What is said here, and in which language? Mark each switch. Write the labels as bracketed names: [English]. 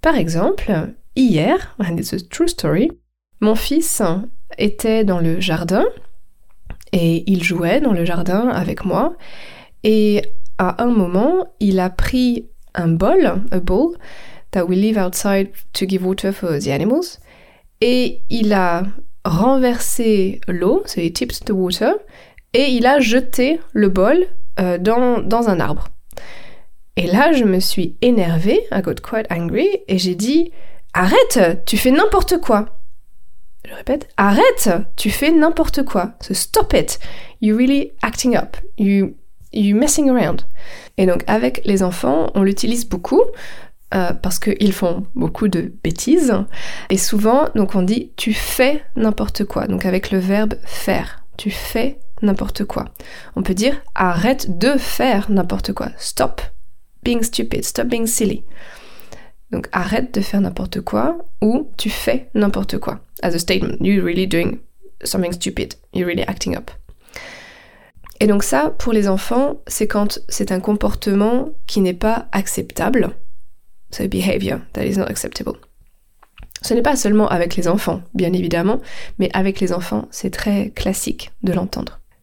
[French] Par exemple, hier, [English] and it's a true story, [French] mon fils était dans le jardin et il jouait dans le jardin avec moi et à un moment, il a pris un bol, [English] a bowl, that we leave outside to give water for the animals, [French] et il a renversé l'eau, [English] so he tipped the water, [French] et il a jeté le bol dans un arbre. Et là, je me suis énervée, [English] I got quite angry, [French] et j'ai dit, arrête, tu fais n'importe quoi. Je répète, arrête, tu fais n'importe quoi. [English] So stop it, you're really acting up, you're messing around. [French] Et donc, avec les enfants, on l'utilise beaucoup, parce qu'ils font beaucoup de bêtises. Et souvent, donc on dit « tu fais n'importe quoi ». Donc avec le verbe « faire », « tu fais n'importe quoi ». On peut dire « arrête de faire n'importe quoi ». « [English] Stop being stupid, stop being silly ». [French] Donc « arrête de faire n'importe quoi » ou « tu fais n'importe quoi ». [English] As a statement, you're really doing something stupid, you're really acting up. [French] Et donc ça, pour les enfants, c'est quand c'est un comportement qui n'est pas acceptable. [English] So behavior that is not acceptable. [French] Ce n'est pas seulement avec les enfants, bien évidemment, mais avec les enfants, c'est très classique de l'entendre.